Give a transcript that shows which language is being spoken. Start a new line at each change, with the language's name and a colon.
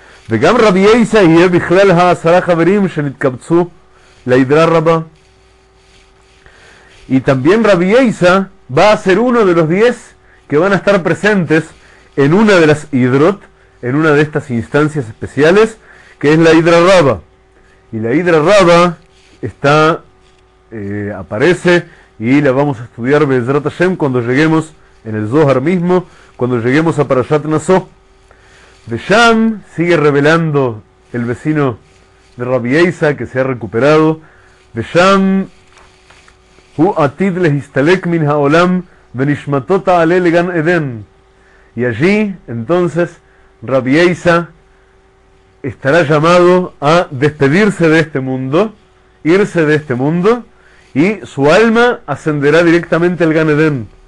Hebrew: וגם רבי יסה יהיה בכלל העשרה חברים שנתקבצו להדרה רבה.
Spanish: Y también Rabbi Eiza va a ser uno de los 10 que van a estar presentes en una de las Hidrot, en una de estas instancias especiales, que es la Hidra Rabba. Y la Hidra Rabba está, aparece y la vamos a estudiar Bezrat Hashem cuando lleguemos en el Zohar mismo, cuando lleguemos a Parashat Naso. Beyam sigue revelando el vecino de Rabbi Eiza que se ha recuperado. Beyam.
Hebrew: הוא עתיד להסתלק מן העולם ונשמתו תעלה לגן עדן.
Spanish: יג'י, entonces, רבי איסה, estará llamado a despedirse de este mundo, irse de este mundo, y su alma ascenderá directamente al גן עדן.